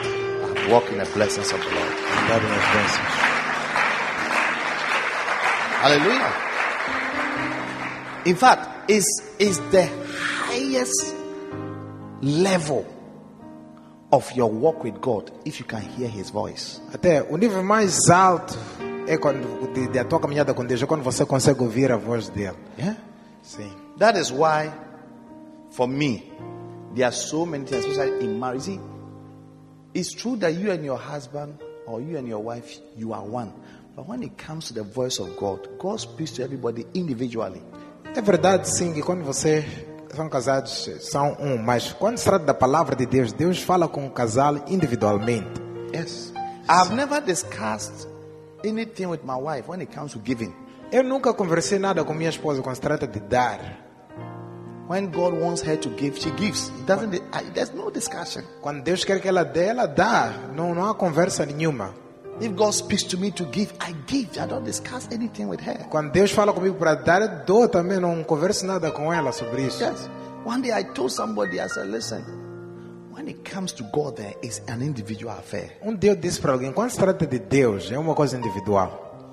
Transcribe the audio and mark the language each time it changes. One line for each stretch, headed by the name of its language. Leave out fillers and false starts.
English: I've walked in the blessings of the Lord.
Portuguese: Andado nas bênçãos.
English: Hallelujah. In fact, is the highest level of your walk with God if you can hear His voice.
Portuguese: Até o nível mais alto é quando da tua caminhada com Deus, é quando você consegue ouvir a voz dele.
English: Yeah?
Portuguese: Sim.
English: That is why, for me, there are so many things, especially in marriage. See, it's true that you and your husband, or you and your wife, you are one. But when it comes to the voice of God, God speaks to everybody individually.
Portuguese: É verdade, sim, que quando vocês são casados, são um. Mas quando se trata da palavra de Deus, Deus fala com o casal individualmente.
English: Yes. I've never discussed anything with my wife when it comes to giving.
Portuguese: Eu nunca conversei nada com minha esposa quando se trata de dar.
English: When God wants her to give, she gives. There's no discussion.
Portuguese: Quando Deus quer que ela dá. Não há conversa nenhuma.
English: If God speaks to me to give, I give. I don't discuss anything with her.
Portuguese: Quando Deus fala comigo para dar, eu dou também. Não converso nada com ela sobre isso.
English: Yes. One day I told somebody, I said, listen, when it comes to God, there is an individual affair.
Portuguese: Um dia eu disse para alguém, quando se trata de Deus, é uma coisa individual.